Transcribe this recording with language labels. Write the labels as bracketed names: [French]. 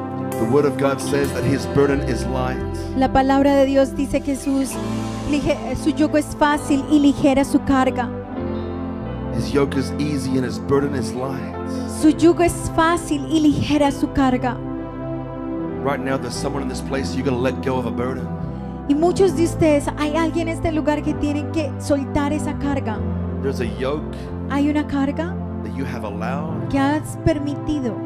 [English] The word of God says that his burden is light. [Spanish] La palabra de Dios dice que su yugo es fácil y ligera su carga. [English] His yoke is easy and his burden is light. [Spanish] Su yugo es fácil y ligera su carga. [English] Right now there's someone in this place you're going to let go of a burden. [Spanish] Y muchos de ustedes, hay alguien en este lugar que tienen que soltar esa carga. [English] There's a yoke. [Spanish] Hay una carga [English] that you have allowed. [Spanish] Que has permitido.